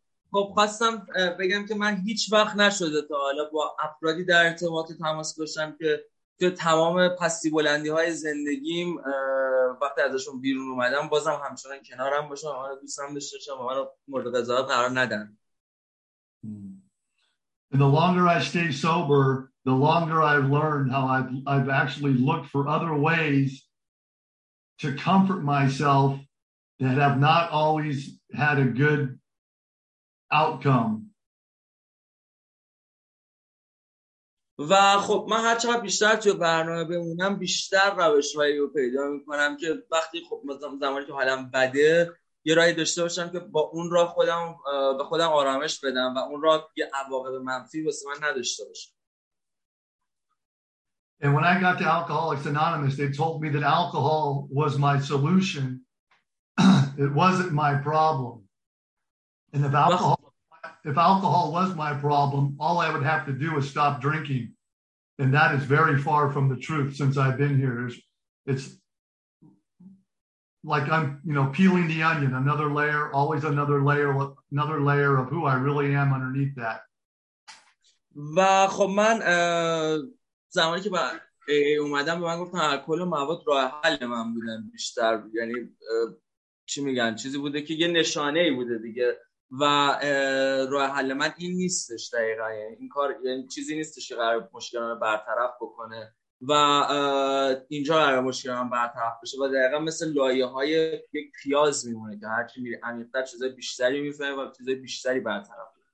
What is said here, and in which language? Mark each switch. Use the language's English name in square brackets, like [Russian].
[Persian] خب خواستم بگم که من هیچ وقت نشده تا حالا با افرادی در ارتباط و تماس باشم که تمام پستی بلندی های زندگیم وقتی ازشون بیرون اومدم بازم همچنان کنارم باشم و دوستم داشته باشم و من رو مورد قضاوت قرار ندن. [English] And the longer I stay sober, the longer I've learned how I've actually looked for other ways to comfort myself that have not always had a good outcome. [Persian] و خب من هر چقدر بیشتر توی برنامه بمونم بیشتر روش‌هایی رو پیدا می‌کنم که وقتی خب زمانی که حالم بده یه راهی داشته باشم که با اون راه خودم به خودم آرامش بدم و اون راه یه عواقب منفی واسه من نداشته باشم. [English] And when I got to Alcoholics Anonymous, they told me that alcohol was my solution. It wasn't my problem. And if alcohol was my problem, all I would have to do is stop drinking. And that is very far from the truth since I've been here. It's like I'm, you know, peeling the onion, another layer, always another layer of who I really am underneath that. [Persian] و خب من زمانی که بعد اومدم به من گفتن الکل و مواد راه حل من بودن بیشتر، یعنی چی میگن، چیزی بوده که یه نشانه ای بوده دیگه و راه حل من این نیستش دقیقاً، یعنی این کار، یعنی چیزی نیستش که قرار مشکل رو برطرف بکنه و اینجا قرار مشکل من برطرف بشه و دقیقا مثل لایه های یک پیاز میمونه که هرچی میری عمیق‌تر چیزای بیشتری میفهمی و چیزای بیشتری برطرف.